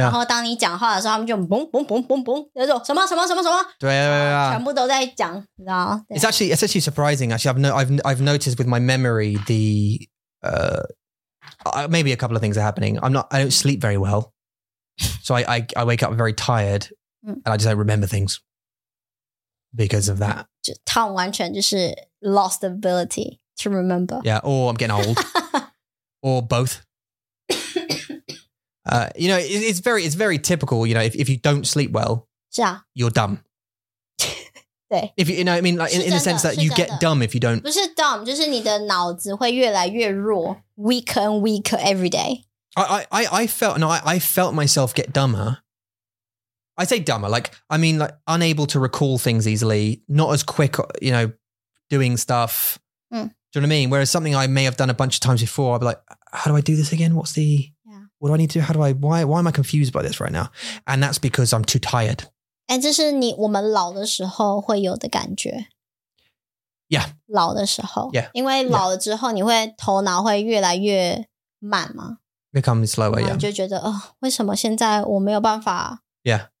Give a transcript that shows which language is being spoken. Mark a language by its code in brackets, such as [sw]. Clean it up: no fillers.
[zh] 然后当你讲话的时候，他们就嘣嘣嘣嘣嘣，那种什么什么什么什么，对啊，全部都在讲，你知道吗？ [en] It's actually surprising. Actually, I've noticed with my memory the maybe a couple of things are happening. I don't sleep very well, so I wake up very tired, and I just don't remember things because of that. [zh] 就他完全就是 [en] lost the ability to remember. Yeah, or I'm getting old, or both. You know, it's very typical, you know, if you don't sleep well, yeah. You're dumb. [zh] 对。 [en] If you know, I mean, like, in the sense that you get dumb if you don't. [zh] 不是 dumb, 就是你的脑子会越来越弱, [en] weaker and weaker every day. I felt myself get dumber. I say dumber, like, I mean, like, unable to recall things easily, not as quick, you know, doing stuff. Mm. Do you know what I mean? Whereas something I may have done a bunch of times before, I'd be like, how do I do this again? What's the... what do I need to do? How do I, why am I confused by this right now? And that's because I'm too tired. [zh] And 这是我们老的时候会有的感觉。 [en] Yeah. [zh] 老的时候。 [en] Yeah. [zh] 因为老了之后你会头脑会越来越慢吗? [en] Become slower, yeah. [zh] 就觉得为什么现在我没有办法 [en] Yeah.